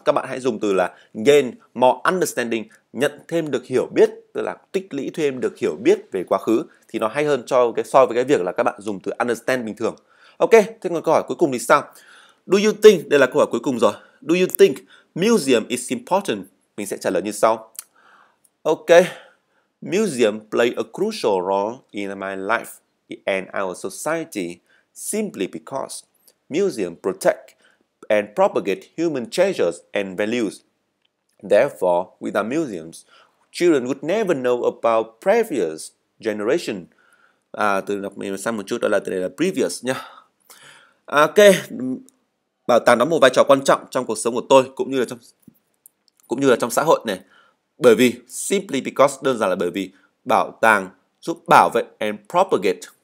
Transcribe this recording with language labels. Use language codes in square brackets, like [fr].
[vi] Các bạn hãy dùng từ là [en] gain more understanding, [vi] nhận thêm được hiểu biết, tức là tích lũy thêm được hiểu biết về quá khứ, thì nó hay hơn cho cái so với cái việc là các bạn dùng từ understand bình thường. Ok, thế còn câu hỏi cuối cùng thì sao? [en] Do you think, [vi] đây là câu hỏi cuối cùng rồi. [en] Do you think museum is important? [vi] Mình sẽ trả lời như sau. [en] Ok, museum play a crucial role in my life and our society simply because museum protect and propagate human treasures and values. Therefore, without museums, children would never know about previous generation. [vi] À, từ đọc mình sang một chút, đó là từ đây là previous nhá. Ok, bảo tàng đóng một vai trò quan trọng trong cuộc sống của tôi cũng như là trong xã hội này. Bởi vì, [en] simply because, [vi] đơn giản là bởi vì bảo tàng giúp bảo vệ [en] and propagate.